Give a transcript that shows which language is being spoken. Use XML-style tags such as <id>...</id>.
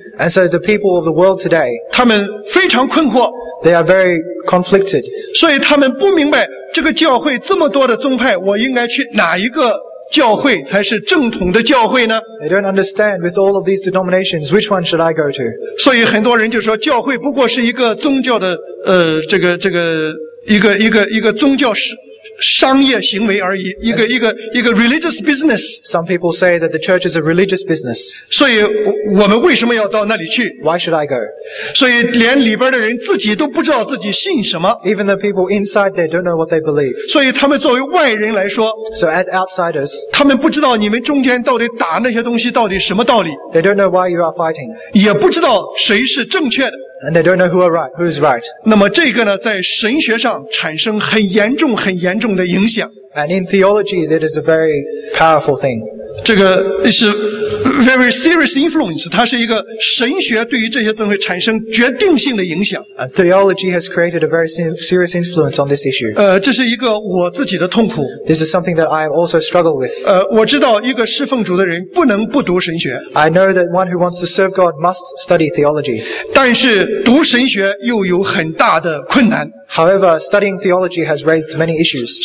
<en>And so the people of the world today,</en> <zh>他们非常困惑</zh> <en>They are very conflicted.</en> <zh>所以他们不明白这个教会这么多的宗派我应该去哪一个教会才是正统的教会呢</zh> <en>They don't understand with all of these denominations, which one should I go to?</en> <zh>所以很多人就说教会不过是一个宗教的一个宗教是商业行为而已，一个</zh> <en>religious business. Some people say that the church is a religious business.</en> <zh>所以我们为什么要到那里去</zh> <en>？Why should I go?</en> <zh>所以连里边的人自己都不知道自己信什么。</zh> <en>Even the people inside they don't know what they believe.</en> <zh>所以他们作为外人来说</zh> <en>，So as outsiders,</en> <zh>他们不知道你们中间到底打那些东西到底什么道理。</zh> <en>They don't know why you are fighting.</en> <zh>也不知道谁是正确的。</zh> <en>And they don't know who are right, who is right.</en> <zh>那么这个呢，在神学上产生很严重、很严重的影响。</zh> <en>And in theology, that is a very powerful thing.</en> <zh>这个是</zh> <en>very serious influence.</en> <zh>它是一个神学对于这些东西产生决定性的影响。</zh> <en>And theology has created a very serious influence on this issue.</en> <zh>这是一个我自己的痛苦。</zh> <en>This is something that I have also struggled with.</en> <zh>我知道一个侍奉主的人不能不读神学。</zh> <en>I know that one who wants to serve God must study theology.</en> <zh>但是读神学又有很大的困难。</zh> <en>However, studying theology has raised many issues.</en>